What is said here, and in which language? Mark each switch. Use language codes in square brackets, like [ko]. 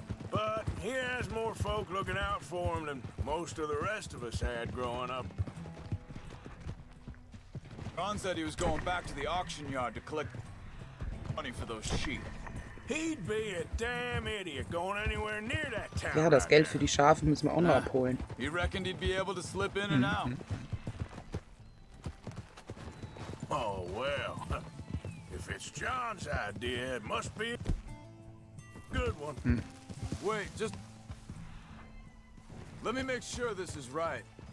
[en] But he has more folk looking out for him than most of the rest of us had growing up. Ron said he was going back to the auction yard to collect money for those sheep. He'd be a damn idiot going anywhere near that town. [de] Ja, das Geld für die Schafe müssen wir auch noch abholen. [en] He reckoned he'd be able to slip in and out. Oh well. If it's John's idea, it must be a good one. Wait, just let me make sure this is right.